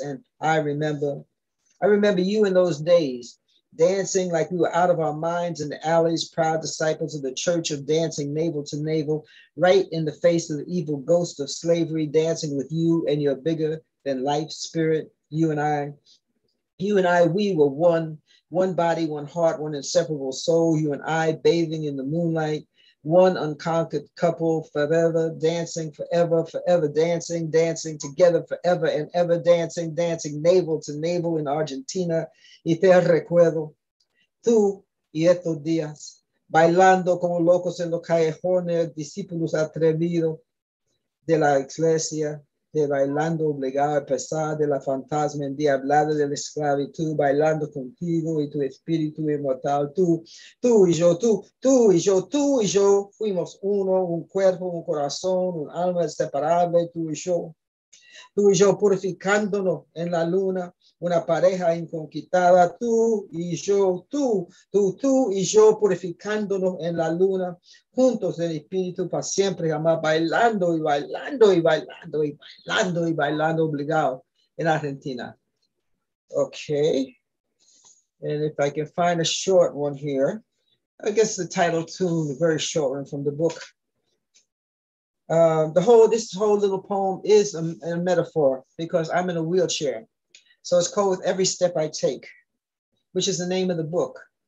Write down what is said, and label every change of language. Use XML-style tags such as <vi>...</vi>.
<en>And I remember you in those days, dancing like we were out of our minds in the alleys, proud disciples of the church of dancing navel to navel, right in the face of the evil ghost of slavery, dancing with you and your bigger than life spirit, you and I, we were one body, one heart, one inseparable soul, you and I bathing in the moonlight, one unconquered couple, forever dancing, forever, forever dancing, dancing together forever and ever, dancing, dancing navel to navel in Argentina.</en> <es>Y te recuerdo, tú y estos días, bailando como locos en los callejones, discípulos atrevidos de la iglesia, de bailando obligado a pesar de la fantasma endiablada de la esclavitud, bailando contigo y tu espíritu inmortal, tú y yo, fuimos uno, un cuerpo, un corazón, un alma inseparable, tú y yo purificándonos en la luna, una pareja inconquistada, tú y yo purificándonos en la luna, juntos en espíritu para siempre jamás, bailando y bailando y bailando y bailando y bailando obligado en Argentina.</es> <en>Okay, and if I can find a short one here, I guess the title tune, a very short one from the book. This whole little poem is a metaphor because I'm in a wheelchair. So it's called With Every Step I Take, which is the name of the book.</en>